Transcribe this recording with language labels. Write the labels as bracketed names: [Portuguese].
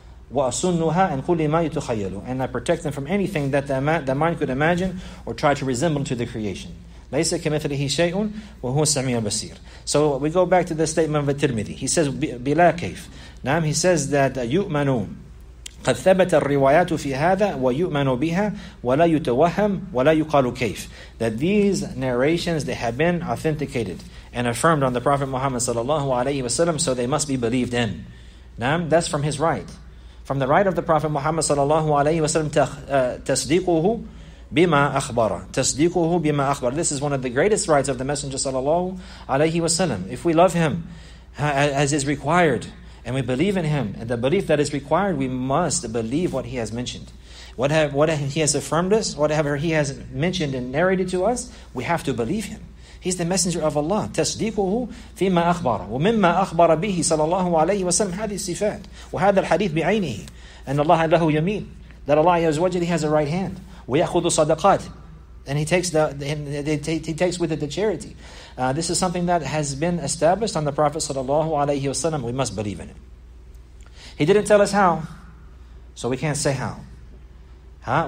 [English] And I protect them from anything that the mind could imagine or try to resemble to the creation. [Arabic] ليس كمثله شيء وهو السميع البصير. [English] So we go back to the statement of Tirmidhi. He says [Arabic] بلا كيف. نعم, [English] he says that [Arabic] يؤمن قد ثبت الروايات في هذا ويؤمن بها ولا يتوهم ولا يقال كيف. [English] That these narrations, they have been authenticated and affirmed on the Prophet Muhammad sallallahu alaihi wasallam, so they must be believed in. نعم, that's from his right, from the right of the Prophet Muhammad sallallahu alaihi wasallam. [Arabic] تصديقه بما أخبر. تصديقه بما أخبر. [English] This is one of the greatest rights of the Messenger sallallahu alaihi wasallam. If we love him as is required, and we believe in him, and the belief that is required, we must believe what he has mentioned. What he has affirmed us, whatever he has mentioned and narrated to us, we have to believe him. He's the Messenger of Allah. [Arabic] تصديقه فيما أخبر ومما أخبر به صلى الله عليه وسلم هذه الصفات وهذا الحديث بعينه أن الله له يمين. [English] That Allah عز وجل, he has a right hand. [Arabic] ويأخذ صدقات, [English] and he takes with it the charity. This is something that has been established on the Prophet sallallahu alaihi wasallam. We must believe in it. He didn't tell us how, so we can't say how. Huh?